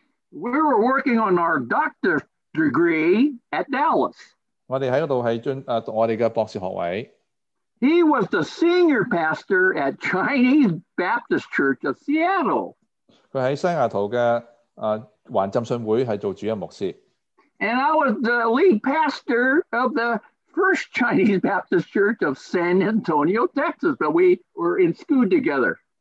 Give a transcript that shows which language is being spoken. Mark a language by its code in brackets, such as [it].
[en] We were working on our doctor's degree at Dallas. [zh] 我们在那里是读我们的博士学位。 [en] He was the senior pastor at Chinese Baptist Church of Seattle. [zh] 他在西雅图的环浸信会是做主任牧师。 [en] And I was the lead pastor of the first Chinese Baptist Church of San Antonio, Texas, but we were in school together.